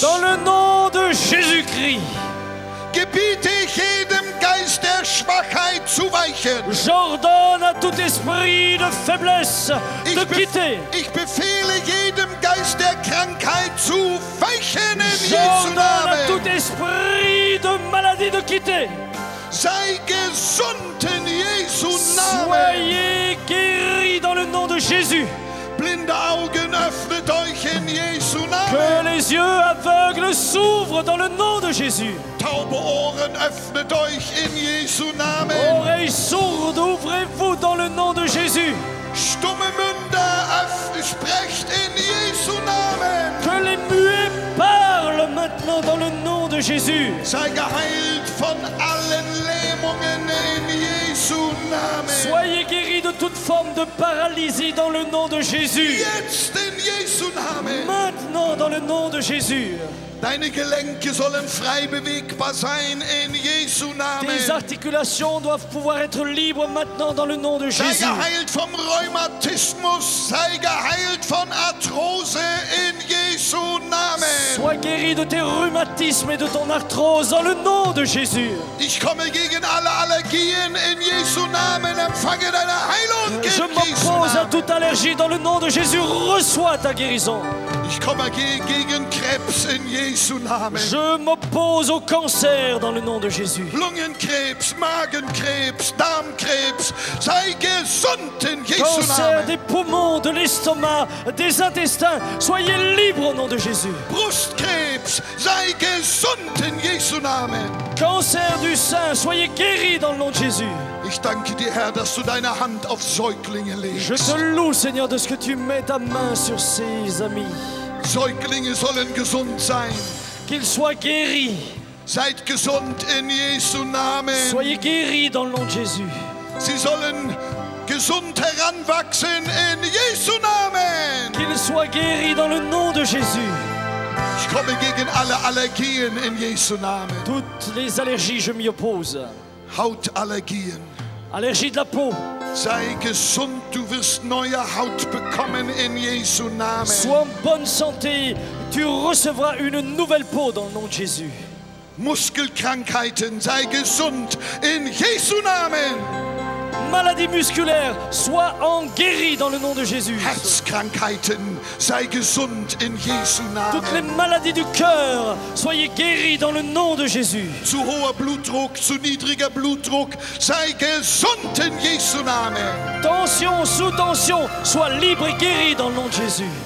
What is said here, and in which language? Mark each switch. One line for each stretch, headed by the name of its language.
French: Dans le nom de Jésus-Christ.
German: Gebiete ich jedem Geist der Schwachheit zu weichen.
French: J'ordonne à tout esprit de faiblesse de quitter.
German: Ich befehle jedem Geist der Krankheit zu weichen in Jesu Namen.
French: J'ordonne à tout esprit de maladie de quitter.
German: Sei gesund in Jesu Namen.
French: Soyez guéris. dans le nom de Jésus.
German: Blinde Augen, öffnet euch in Jesu Namen.
French: Que les yeux aveugles s'ouvrent dans le nom de Jésus.
German: Taube Ohren, öffnet euch in Jesu Namen.
French: Oreilles sourdes, ouvrez-vous dans le nom de Jésus.
German: Stumme Münder, sprecht in Jesu Namen.
French: Que les muets parlent maintenant dans le nom de Jésus.
German: Sei geheilt von allen Lähmungen in Jesu Namen.
French: Soyez guéri de toute forme de paralysie dans le nom de Jésus.
German: Jetzt in Jesu Namen.
French: Maintenant dans le nom de Jésus.
German: Deine Gelenke sollen frei bewegbar sein in Jesu Namen.
French: Tes articulations doivent pouvoir être libres maintenant dans le nom de Jésus.
German: Sei geheilt vom Rheumatismus, sei geheilt von Arthrose in Jesu Namen.
French: Sois guéri de tes rhumatismes et de ton arthrose dans le nom de Jésus.
German: Ich komme gegen alle Allergien in Jesu Namen. Empfange deine Heilung in Jesu Namen.
French: Je m'oppose à toute allergie dans le nom de Jésus. Reçois ta guérison.
German: Ich komme gegen Krebs in Jesu Namen.
French: Je m'oppose au cancer dans le nom de Jésus.
German: Lungenkrebs, Magenkrebs, Darmkrebs, sei gesund in Jesu
French: cancer
German: Namen.
French: Cancer des poumons, de l'estomac, des intestins, soyez libres au nom de Jésus.
German: Brustkrebs, sei gesund in Jesu Namen.
French: Cancer du sein, soyez guéri dans le nom de Jésus.
German: Ich danke dir, Herr, dass du deine Hand auf Säuglinge legst.
French: Je te loue, Seigneur, de ce que tu mets ta main sur ses amis.
German: Säuglinge sollen gesund sein.
French: Qu'ils soient guéris.
German: Seid gesund in Jesu Namen.
French: Soyez guéris dans le nom de Jésus.
German: Sie sollen gesund heranwachsen in Jesu Namen.
French: Qu'ils soient guéris dans le nom de Jésus.
German: Ich komme gegen alle Allergien in Jesu Namen.
French: Toutes les allergies, je m'y oppose.
German: Hautallergien.
French: Allergie de la peau.
German: Sei gesund, du wirst neue Haut bekommen in Jesu Namen.
French: Sois en bonne santé, tu recevras une nouvelle peau dans le nom de Jésus.
German: Muskelkrankheiten, sei gesund in Jesu Namen.
French: Maladie musculaire, sois en guéri dans le nom de Jésus.
German: Herzkrankheiten, sei gesund in Jesu Namen.
French: Toutes les maladies du cœur, soyez guéris dans le nom de Jésus.
German: Zu hoher Blutdruck, zu niedriger Blutdruck, sei gesund in Jesu Namen.
French: Tension, sous-tension, sois libre et guéri dans le nom de Jésus.